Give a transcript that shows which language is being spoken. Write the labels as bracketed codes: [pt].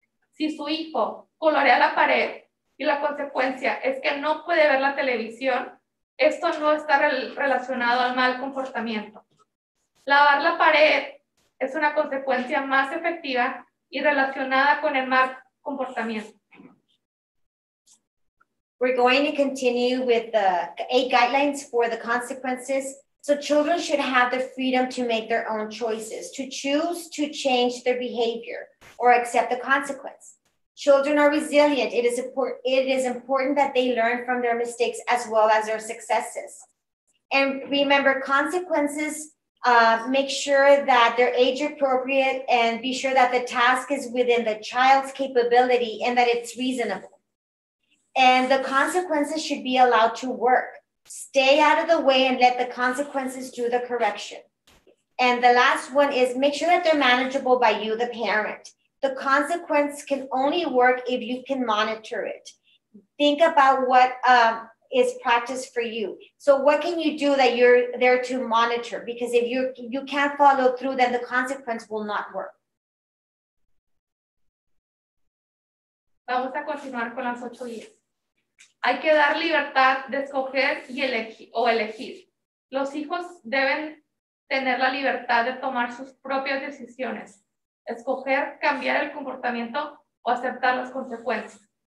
[es] Si su hijo colorea la pared y la consecuencia es que no puede ver la televisión, esto no está relacionado al mal comportamiento. Lavar la pared es una consecuencia más efectiva y relacionada con el mal comportamiento. [en] We're going to continue with the 8 guidelines for the consequences. So children should have the freedom to make their own choices, to choose to change their behavior or accept the consequence. Children are resilient. It is important that they learn from their mistakes as well as their successes. And remember, consequences, make sure that they're age appropriate and be sure that the task is within the child's capability and that it's reasonable. And the consequences should be allowed to work. Stay out of the way and let the consequences do the correction. And the last one is make sure that they're manageable by you, the parent. The consequence can only work if you can monitor it. Think about what is practice for you. So what can you do that you're there to monitor? Because if you can't follow through, then the consequence will not work. [es] Vamos a continuar con las 8 guías. Hay que dar libertad de escoger y elegir. Los hijos deben tener la libertad de tomar sus propias decisiones. Escoger, cambiar el comportamiento o aceptar las consecuencias.